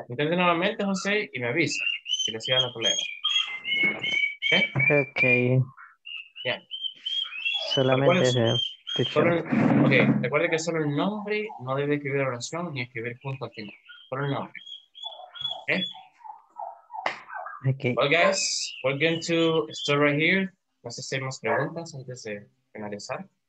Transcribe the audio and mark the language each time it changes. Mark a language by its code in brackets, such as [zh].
[es] Intente nuevamente, José, y me avisa si le sigue la problema. Ok. Bien. Solamente. Ok, recuerde que solo el nombre no debe escribir oración ni escribir punto al final. Solo el nombre. Okay. [en] Well, guys, we're going to start right here. [es] No sé si hay más preguntas antes de finalizar.